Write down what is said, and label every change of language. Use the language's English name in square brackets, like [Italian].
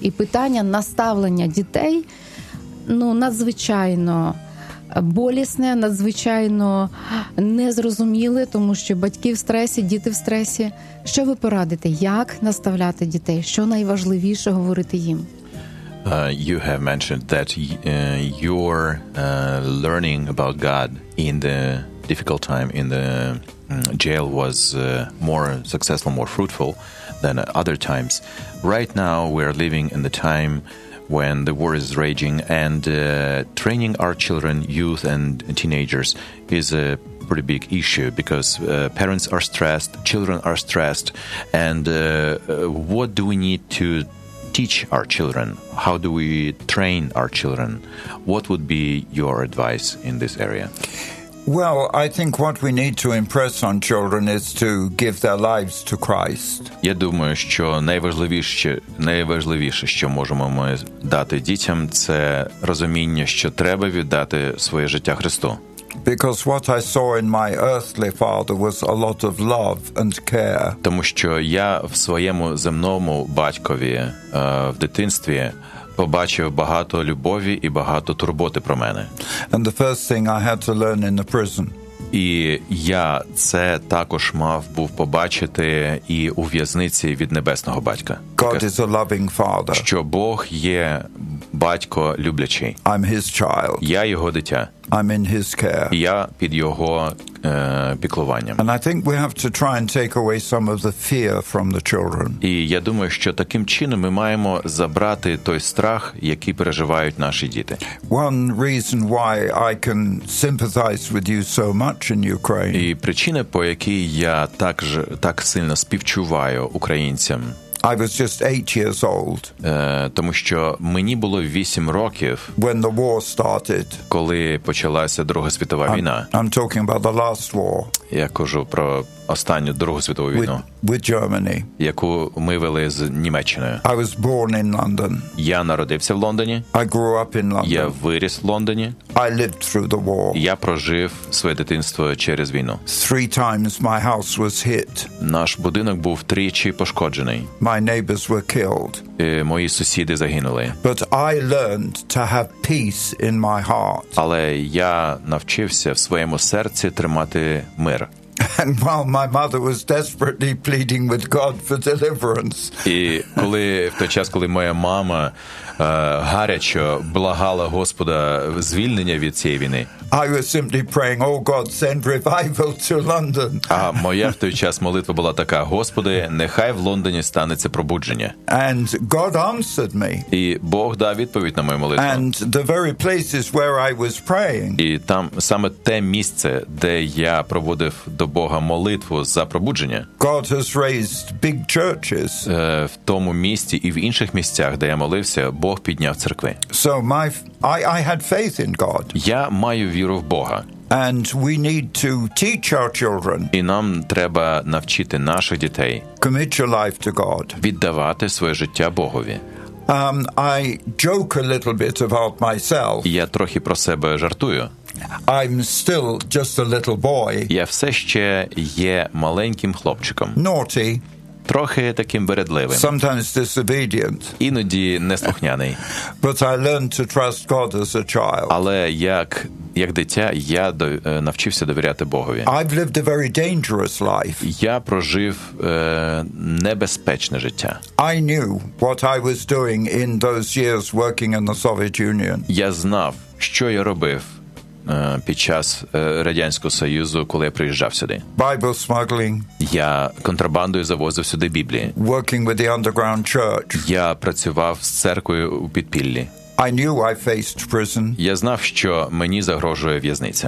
[Ukrainian] І питання наставлення дітей, ну, надзвичайно болісне, надзвичайно незрозуміле, тому що батьки в стресі, діти в стресі. Що ви порадите? Як наставляти дітей? Що найважливіше говорити їм? [English] You have mentioned that your learning about God in the difficult time in the jail was more successful, more fruitful than other times. Right now we're living in the time when the war is raging, and training our children, youth and teenagers, is a pretty big issue, because parents are stressed, children are stressed, and what do we need to teach our children? How do we train our children? What would be your advice in this area? Well, I think what we need to impress on children is to give their lives to Christ. [Ukrainian] Я думаю, що найважливіше, що можемо ми дати дітям, це розуміння, що треба віддати своє життя Христу. [English] Because what I saw in my earthly father was a lot of love and care. [Ukrainian] Тому що я в своєму земному батькові, в дитинстві побачив багато любові і багато турботи про мене. [English] And the first thing I had to learn in the prison. [Ukrainian] І я це також мав був побачити і у в'язниці від небесного батька. [English] God is a loving father. [Ukrainian] Що Бог є батько люблячий. [English] I'm his child. [Ukrainian] Я його дитя. [English] I'm in his care. [Ukrainian] Я під його піклуванням. [English] And I think we have to try and take away some of the fear from the children. [Ukrainian] І я думаю, що таким чином ми маємо забрати той страх, який переживають наші діти. [English] One reason why I can sympathize with you so much in Ukraine. [Ukrainian] І причина, по якій я так сильно співчуваю українцям. [English] I was just 8 years old. [Ukrainian] Тому що мені було 8 років. [English] When the war started. [Ukrainian] Коли почалася Друга світова війна. [English] I'm talking about the last war. [Ukrainian] Я кажу про останню Другу світову війну. [English] With Germany. [Ukrainian] Яку ми вели з Німеччиною. [English] I was born in London. [Ukrainian] Я народився в Лондоні. [English] I grew up in London. [Ukrainian] Я виріс в Лондоні. [English] I lived through the war. [Ukrainian] Я прожив своє дитинство через війну. [English] Three times my house was hit. [Ukrainian] Наш будинок був тричі пошкоджений. [English] My neighbors were killed. [Ukrainian] Мої сусіди загинули. [English] But I learned to have peace in my heart. [Ukrainian] Але я навчився в своєму серці тримати мир. [English] And while my mother was desperately pleading with God for deliverance. [Ukrainian] І коли в той час, коли моя мама гарячо благала Господа звільнення від цієї війни. [English] I was simply praying, oh God, send revival to London. [Ukrainian] А моя в той час молитва була така: Господи, нехай в Лондоні станеться пробудження. [English] And God answered me. [Ukrainian] І Бог дав відповідь на мою молитву. [English] And the very places where I was praying. [Ukrainian] І там саме те місце, де я проводив до Бога молитву за пробудження. [English] God has raised big churches. [Ukrainian] В тому місці і в інших місцях, де я молився, Бог підняв церкви. [English] So my I had faith in God. [Ukrainian] Я маю віру в Бога. [English] And we need to teach our children. [Ukrainian] І нам треба навчити наших дітей. [English] Commit your life to God. [Ukrainian] Віддавати своє життя Богові. [English] I joke a little bit about myself. [Ukrainian] Я трохи про себе жартую. [English] I'm still just a little boy. [Ukrainian] Я все ще є маленьким хлопчиком. [English] Naughty. [Ukrainian] Трохи таким вередливим. [English] Sometimes disobedient. [Ukrainian] Іноді неслухняний. [English] But I learned to trust God as a child. [Ukrainian] Але як дитя я навчився довіряти Богові. [English] I've lived a very dangerous life. [Ukrainian] Я прожив небезпечне життя. [English] I knew what I was doing in those years working in the Soviet Union. [Ukrainian] Я знав, що я робив під час Радянського Союзу, коли я приїжджав сюди. [English] Bible smuggling. [Ukrainian] Я контрабандою завозив сюди Біблії. [English] Working with the underground church. [Ukrainian] Я працював з церквою у підпіллі. [English] I knew I faced prison. [Ukrainian] Я знав, що мені загрожує в'язниця.